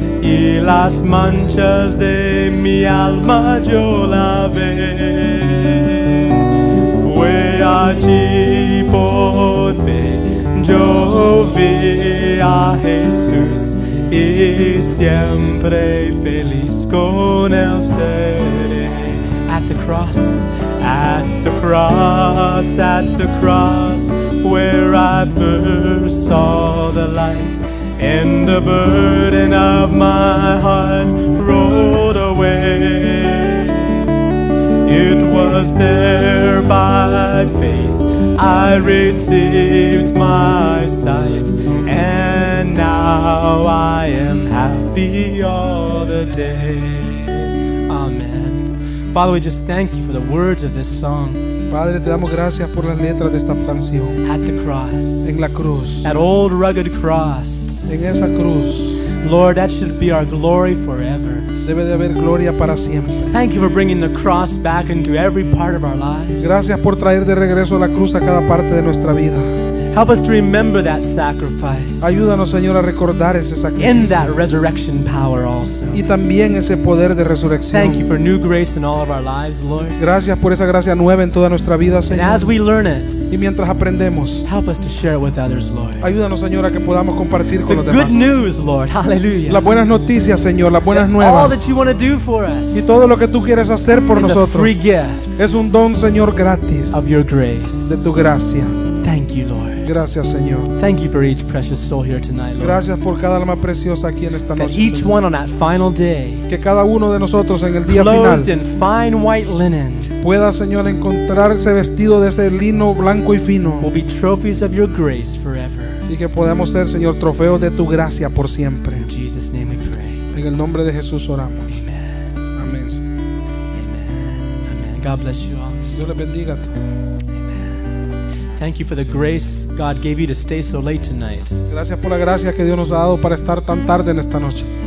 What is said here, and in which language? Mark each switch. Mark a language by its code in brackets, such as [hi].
[es] y las manchas de mi alma yo lavé. Fue allí por fe yo vi a Jesús y siempre feliz con él seré. [en] At the cross, at the cross, at the cross, where I first saw the light and the burden of my heart rolled away. It was there by faith I received my sight, and now I am happy all the day. Amen. Father, we just thank you for the words of this song. [es] Padre, te damos gracias por las letras de esta canción. [en] At the cross. [es] En la cruz. [en] That old rugged cross. [es] En esa cruz. [en] Lord, that should be our glory forever. [es] Debe de haber gloria para siempre. [en] Thank you for bringing the cross back into every part of our lives. [es] Gracias por traer de regreso la cruz a cada parte de nuestra vida. [en] Help us to remember that sacrifice. [es] Ayúdanos, Señor, a recordar ese sacrificio. [en] In that resurrection power also. [es] Y también ese poder de resurrección. [en] Thank you for new grace in all of our lives, Lord. [es] Gracias por esa gracia nueva en toda nuestra vida, Señor. [en] And as we learn it. [es] Y mientras aprendemos. [en] Help us to share it with others, Lord. [es] Ayúdanos, Señor, a que podamos compartir con los demás. [en] Good news, Lord. Hallelujah. [es] Las buenas noticias, Señor, las buenas nuevas. [en] All that you want to do for us. [es] Y todo lo que tú quieres hacer por [en] is [es] nosotros. [en] A free gift. [es] Es un don, Señor, gratis. [en] Of your grace. [es] De tu gracia. [en] Thank you, Lord. [es] Gracias, Señor. [en] Thank you for each precious soul here tonight, Lord. [es] Gracias por cada alma preciosa aquí en esta [en] that [es] noche. [en] Each one on that final day, [es] que cada uno de nosotros en el día [en] clothed clothed in fine white linen, [es] pueda, Señor, encontrar ese vestido de ese lino blanco y fino, [en] will be trophies of your grace forever. [es] Y que podamos ser, Señor, trofeos de tu gracia por siempre. [en] In Jesus' name we pray. [es] En el nombre de Jesús oramos. [en] Amen. [es] Amén. [en] Amen. Amen. God bless you all. [es] Dios les bendiga a todos. [en] Thank you for the grace God gave you to stay so late tonight. [es] Gracias por la gracia que Dios nos ha dado para estar tan tarde en esta noche.